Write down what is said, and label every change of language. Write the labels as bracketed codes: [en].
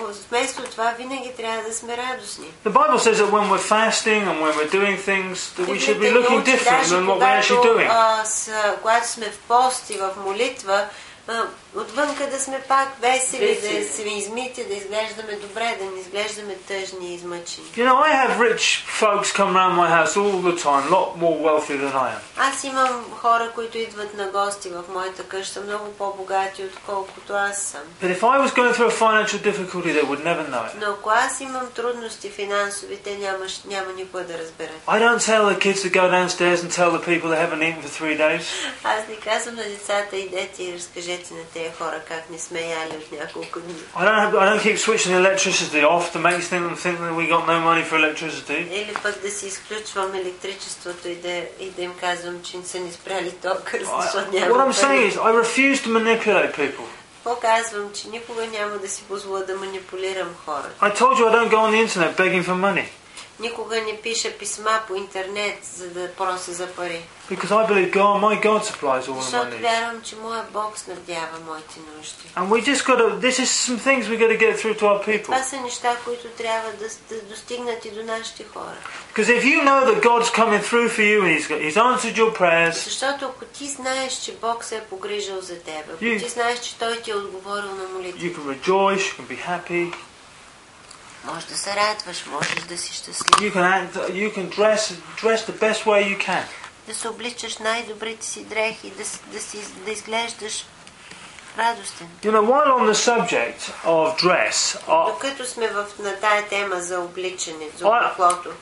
[bg] Вместо това, винаги трябва да сме радостни. [en] The Bible says that when we're fasting and when we're doing things, that we should be looking different than what we're actually doing. [bg] Когато сме в пост и в молитва, Отвънка да сме пак весели, да се измити, да изглеждаме добре, да не изглеждаме тъжни и измъчени. [en] You know, I have rich folks come round my house all the time, a lot more wealthy than I am. [bg] Аз имам хора, които идват на гости в моята къща, много по-богати, отколкото аз съм. [en] But if I was going through a financial difficulty, they would never know it. [bg] Но ако аз имам трудности финансови, те няма никога да разберат. [en] I don't tell the kids to go downstairs and tell the people they haven't eaten for 3 days. [bg] Аз не казвам на децата, идете и разкажете на тези хора как не сме яли от няколко дни. [en] I don't keep switching the electricity off to make them think that we got no money for electricity. [bg] Или пък да си изключвам електричеството и да им казвам, че не са ни спряли тока, защото няма пари. [en] What I'm saying is, I refuse to manipulate people. [bg] Показвам, че никога няма да си позволя да манипулирам хора. [en] I told you I don't go on the internet begging for money. [bg] Никога не пиша писма по интернет, за да проси за пари. [en] Because I believe God, my God supplies all of my needs. [bg] Защото вярвам, че моя Бог снабдява моите нужди. [en] And we just got to, this is some things we got to get through to our people. [bg] Това са неща, които трябва да достигнат и до нашите хора. [en] Because if you know that God's coming through for you and he's answered your prayers. [bg] Защото ако ти знаеш, че Бог се е погрижил за теб, ако ти знаеш, че той ти е отговорил на молитвите. [en] You can rejoice, you can be happy. [bg] Можеш да се радваш, можеш да си щастлив. [en] You can dress the best way you can. [bg] Да се обличаш най-добрите си дрехи, да изглеждаш радостен. [en] You know, while on the subject of dress, [bg] докато сме на тая тема за обличане, за облеклото.